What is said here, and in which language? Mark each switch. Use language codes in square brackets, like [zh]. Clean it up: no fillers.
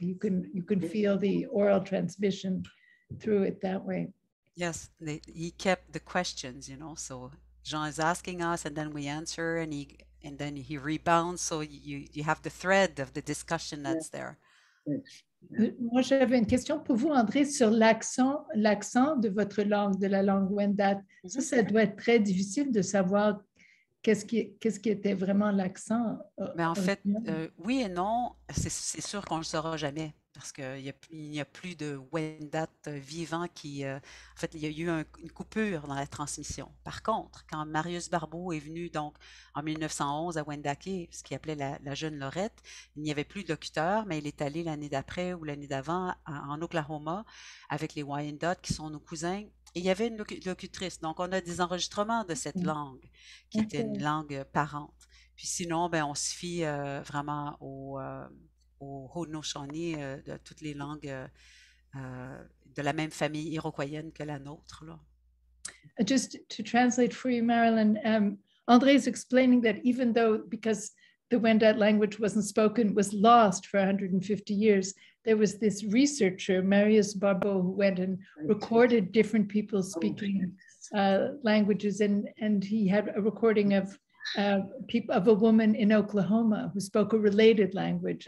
[en] You can feel the oral transmission through it that way. Yes, he kept the questions, you know, so Jean is asking us and then we answer and then he rebounds, so you have the thread of the discussion that's there. [fr] Moi, j'avais une question pour vous, André, sur l'accent de votre langue, de la langue Wendat. Ça doit être très difficile de savoir qu'est-ce qui était vraiment l'accent. Mais en fait, oui et non, c'est sûr qu'on ne le saura jamais, parce qu'il n'y a plus de Wendat vivant qui... en fait, il y a eu une coupure dans la transmission. Par contre, quand Marius Barbeau est venu donc en 1911 à Wendake, ce qu'il appelait la jeune Lorette, il n'y avait plus de locuteur, mais il est allé l'année d'après ou l'année d'avant en Oklahoma avec les Wyandot qui sont nos cousins. Et il y avait une locutrice. Donc, on a des enregistrements de cette langue qui était une langue parente. Puis sinon, ben, on se fie vraiment aux Haudenosaunee, de toutes les langues de la même famille iroquoienne que la nôtre. Là. Mm-hmm. [en] Just to translate for you, Marilyn, Andre is explaining that even though, because the Wendat language wasn't spoken, was lost for 150 years, there was this researcher, Marius Barbeau, who went and recorded different people speaking languages, and he had a recording of of a woman in Oklahoma who spoke a related language.